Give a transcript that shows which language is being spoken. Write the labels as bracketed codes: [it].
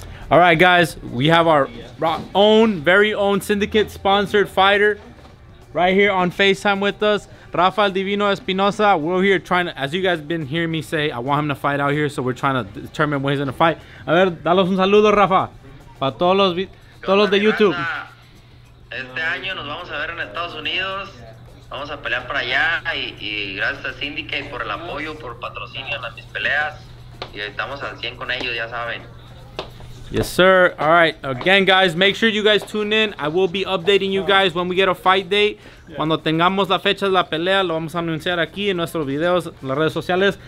[en] All right, guys, we have our own, very own Syndicate-sponsored fighter right here on FaceTime with us, Rafael Divino Espinosa. We're here trying to, as you guys have been hearing me say, I want him to fight out here, so we're trying to determine when he's going to fight. [es] A ver, dalos un saludo, Rafa, para todos los de YouTube. Este año nos vamos a ver en Estados Unidos. Vamos a pelear para allá y gracias a Syndicate por el apoyo, por patrocinio en mis peleas. Y estamos al 100 con ellos, ya saben. [en] Yes, sir. All right. Again, guys, make sure you guys tune in. I will be updating you guys when we get a fight date. Yeah. [es] Cuando tengamos la fecha de la pelea, lo vamos a anunciar aquí en nuestros videos, en las redes sociales.